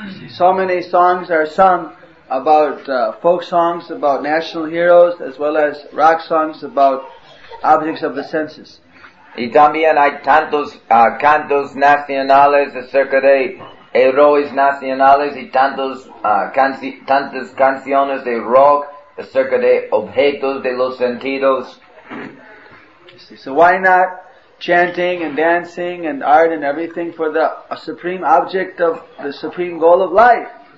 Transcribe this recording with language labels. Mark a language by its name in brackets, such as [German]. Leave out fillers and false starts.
[English] So many songs are sung about folk songs about national heroes as well as rock songs about objects of the senses. [Spanish] Y también hay tantos cantos nacionales acerca de héroes nacionales y tantos tantas canciones de rock acerca de objetos de los sentidos. [English] So why not chanting and dancing and art and everything for the supreme object of the supreme goal of life?